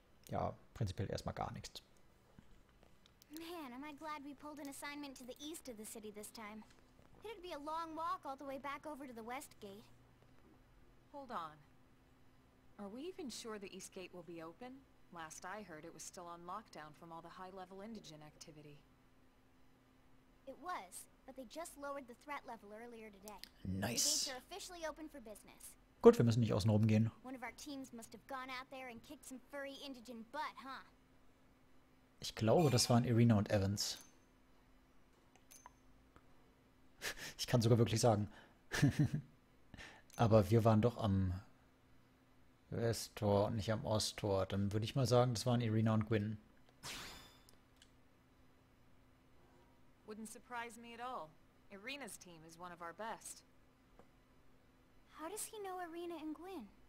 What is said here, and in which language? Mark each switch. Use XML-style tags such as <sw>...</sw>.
<de>Ja, prinzipiell erstmal gar nichts.</de> <en>Man, am I glad we pulled an assignment to the east of the city this time. It'd be a long walk all the way back over to the west gate. Hold on. Are we even sure the east gate will be open? Last I heard, it was still on lockdown from all the high-level indigen activity. It was, but they just lowered the threat level earlier today. Nice. The gates are officially open for business.</en> <de>Gut, wir müssen nicht außen rum gehen.</de> <en>One of our teams must have gone out there and kicked some furry indigen butt, huh?</en> <de>Ich glaube, das waren Irina und Evans. Ich kann sogar wirklich sagen. Aber wir waren doch am Westtor und nicht am Osttor. Dann würde ich mal sagen, das waren Irina und Gwyn.</de> <en>Wouldn't surprise me at all. Irina's team is one of our best. How does he know Irina and Gwyn?</en>